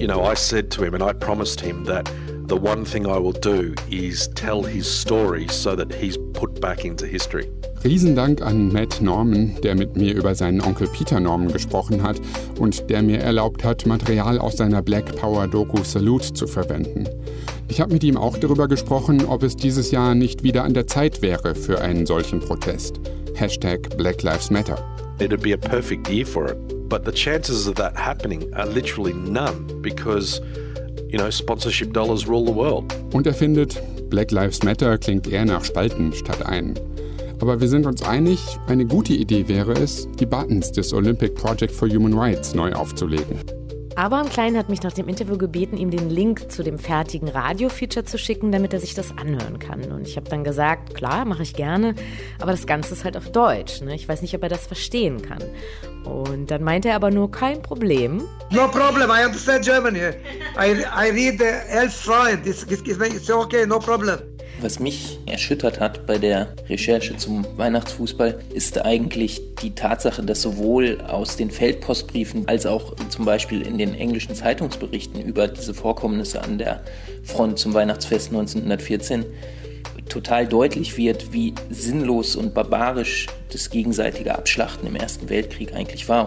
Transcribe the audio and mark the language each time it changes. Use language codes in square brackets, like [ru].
[en] You know, I said to him and I promised him that the one thing I will do is tell his story so that he's put back into history. [de] Riesen Dank an Matt Norman, der mit mir über seinen Onkel Peter Norman gesprochen hat und der mir erlaubt hat, Material aus seiner Black Power Doku Salute zu verwenden. Ich habe mit ihm auch darüber gesprochen, ob es dieses Jahr nicht wieder an der Zeit wäre für einen solchen Protest. [en] Hashtag Black Lives Matter. It'd be a perfect year for it, but the chances of that happening are literally none, because, you know, sponsorship dollars rule the world. [de] Und er findet, Black Lives Matter klingt eher nach Spalten statt ein. Aber wir sind uns einig, eine gute Idee wäre es, die Buttons des Olympic Project for Human Rights neu aufzulegen. Abraham Klein hat mich nach dem Interview gebeten, ihm den Link zu dem fertigen Radio-Feature zu schicken, damit er sich das anhören kann. Und ich habe dann gesagt, klar, mache ich gerne, aber das Ganze ist halt auf Deutsch. Ne? Ich weiß nicht, ob er das verstehen kann. Und dann meinte er aber nur, kein Problem. [en] No problem, I understand German here. I read the Elf Freund, it's okay, no problem. [de] Was mich erschüttert hat bei der Recherche zum Weihnachtsfußball, ist eigentlich die Tatsache, dass sowohl aus den Feldpostbriefen als auch zum Beispiel in den englischen Zeitungsberichten über diese Vorkommnisse an der Front zum Weihnachtsfest 1914 total deutlich wird, wie sinnlos und barbarisch das gegenseitige Abschlachten im Ersten Weltkrieg eigentlich war.